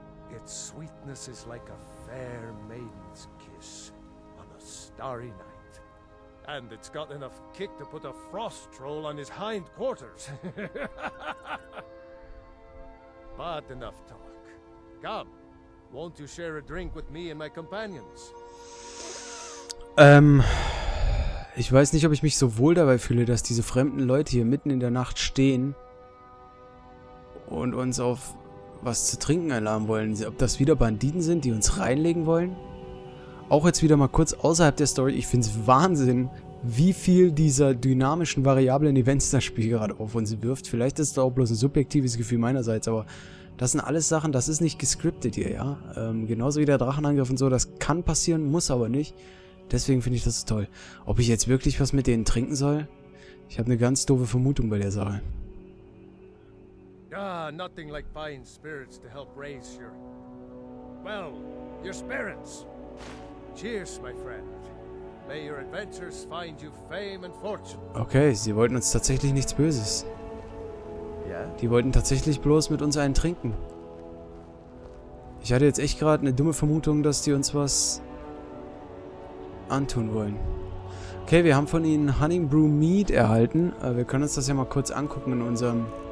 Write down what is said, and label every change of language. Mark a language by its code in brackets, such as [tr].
[en] Its sweetness is like a fair maiden's kiss on a starry night. And it's got enough kick to put a frost troll on his hindquarters. But enough talk. Come, won't you share a drink with me and my companions? [de] Ich weiß nicht, ob ich mich so wohl dabei fühle, dass diese fremden Leute hier mitten in der Nacht stehen und uns auf was zu trinken erlauben wollen. Ob das wieder Banditen sind, die uns reinlegen wollen? Auch jetzt wieder mal kurz außerhalb der Story. Ich finde es Wahnsinn, wie viel dieser dynamischen, variablen Events das Spiel gerade auf uns wirft. Vielleicht ist es auch bloß ein subjektives Gefühl meinerseits, aber das sind alles Sachen, das ist nicht gescriptet hier, ja? Genauso wie der Drachenangriff und so, das kann passieren, muss aber nicht. Deswegen finde ich das toll. Ob ich jetzt wirklich was mit denen trinken soll? Ich habe eine ganz doofe Vermutung bei der Sache. [en] Ah, nothing like fine spirits to help raise your... Well, your spirits. Cheers, my friend. May your adventures find you fame and fortune. [de] Okay, sie wollten uns tatsächlich nichts Böses. Ja? Die wollten tatsächlich bloß mit uns einen trinken. Ich hatte jetzt echt gerade eine dumme Vermutung, dass die uns was... antun wollen. Okay, wir haben von ihnen Hunting Brew Mead erhalten. Wir können uns das ja mal kurz angucken in unserem...